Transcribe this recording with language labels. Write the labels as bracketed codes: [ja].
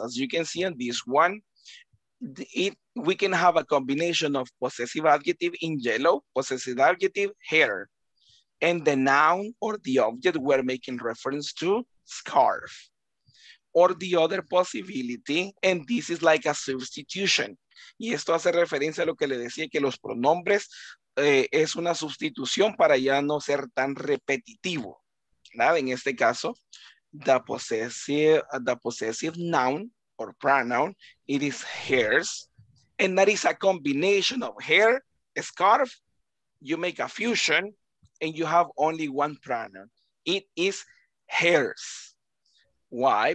[en] As you can see on this one, we can have a combination of possessive adjective in yellow, possessive adjective, hair, and the noun or the object we're making reference to, scarf. Or the other possibility, and this is like a substitution. [es] Y esto hace referencia a lo que le decía, que los pronombres es una sustitución para ya no ser tan repetitivo. ¿Verdad? [en] En este caso, the possessive noun, or pronoun, it is hers, and that is a combination of hair, a scarf, you make a fusion, and you have only one pronoun. It is hers. Why?